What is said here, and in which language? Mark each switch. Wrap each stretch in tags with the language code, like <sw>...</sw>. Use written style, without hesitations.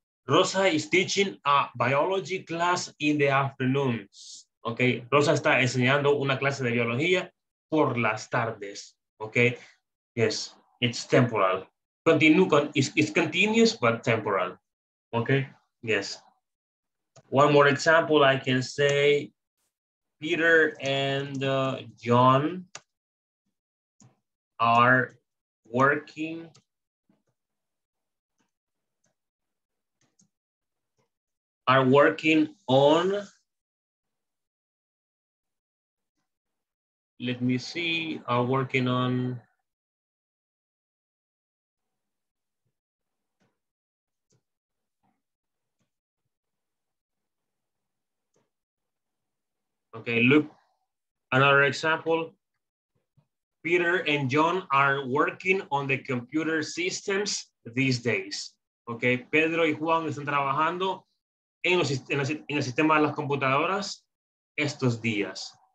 <en>Rosa is teaching a biology class in the afternoons.</en> <es>Okay, Rosa está enseñando una clase de biología por las tardes.</es> <en>Okay, yes, it's temporal. Continue con, it's continuous but temporal. Okay, yes. One more example, I can say Peter and John are working on, let me see, are working on okay, look, another example. Peter and John are working on the computer systems these days.</en> <es>Okay, Pedro y Juan están trabajando en el sistema de las computadoras estos días.</es>